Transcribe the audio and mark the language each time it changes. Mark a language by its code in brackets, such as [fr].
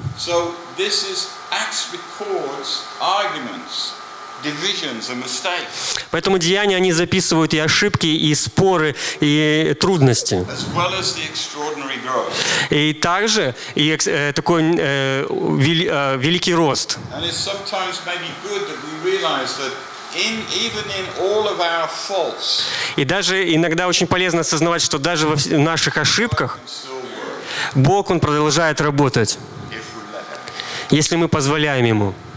[en] So this is Acts records arguments, divisions and mistakes. [ru] Поэтому Деяния, они записывают и ошибки, и споры, и трудности. [en] As well as the extraordinary growth. [ru] И также и такой великий рост. [en] And it's sometimes maybe good that we realize that even in all of our faults. [ru] И даже иногда очень полезно осознавать, что даже во наших ошибках Бог, он продолжает работать, если мы позволяем ему.